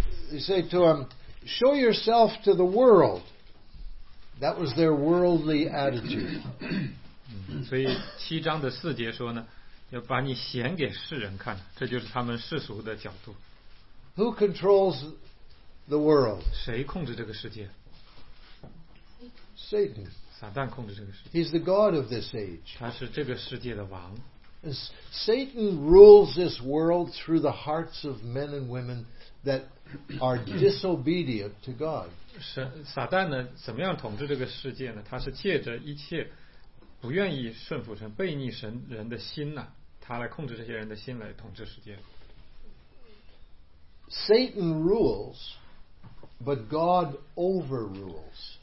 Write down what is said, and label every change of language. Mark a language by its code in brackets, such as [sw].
[en] He says to him show yourself to the world that was their worldly attitude [zh] 所以七章的四节说呢要把你显给世人看这就是他们世俗的角度 [en] Who controls the world [zh] 谁控制这个世界 [en] Satan. He's the god of this age. [zh] 他是这个世界的王。 [en] Satan rules this world through the hearts of men and women that are disobedient to God. [zh] 撒旦呢，怎么样统治这个世界呢？他是借着一切不愿意顺服神、悖逆神人的心呢，他来控制这些人的心来统治世界。 [en] Satan rules, but God overrules.